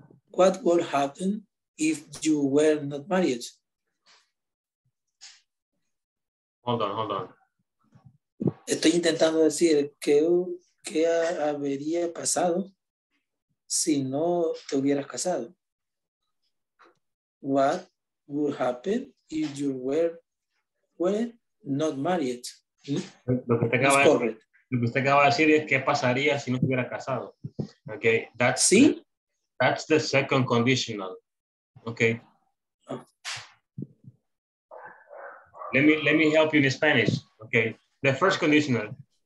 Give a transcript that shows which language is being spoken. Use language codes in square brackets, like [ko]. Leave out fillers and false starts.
[en] What would happen if you were not married? Hold on. [es] Estoy intentando decir qué habría pasado si no te hubieras casado. [en] What would happen if you were not married? [es] Lo que usted acaba de decir es qué pasaría si no te hubieras casado. [en] Okay, that's [es] ¿sí? [en] That's the second conditional. Okay. Let me help you in Spanish. Okay. The first conditional.